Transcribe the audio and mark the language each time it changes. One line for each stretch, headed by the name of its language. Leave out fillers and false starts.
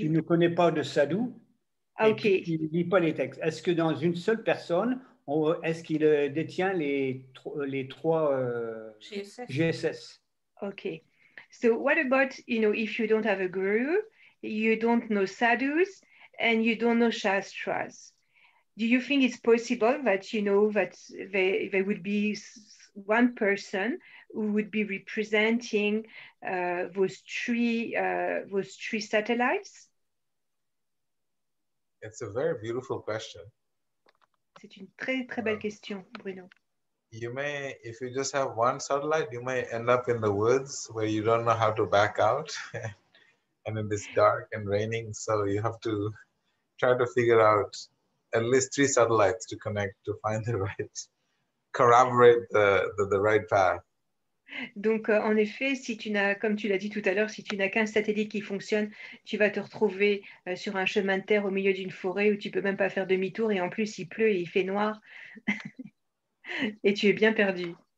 French: Tu ne connais pas de sadhu, ah, okay. Tu ne lis pas les textes. Est-ce que dans une seule personne, est-ce qu'il détient les trois GSS? Ok.
English: So what about, you know, if you don't have a guru, you don't know sadhus, and you don't know shastras? Do you think it's possible that, you know, that there would be one person who would be representing those three satellites? It's a very beautiful question.
French: C'est une très, très belle question, Bruno.
English: You may, if you just have one satellite, you may end up in the woods where you don't know how to back out. And it is dark and raining, so you have to try to figure out at least three satellites to connect, to find the right, corroborate the right path.
French: Donc, en effet, si tu n'as, comme tu l'as dit tout à l'heure, si tu n'as qu'un satellite qui fonctionne, tu vas te retrouver sur un chemin de terre au milieu d'une forêt où tu ne peux même pas faire demi-tour et en plus, il pleut et il fait noir. Et tu es bien perdu.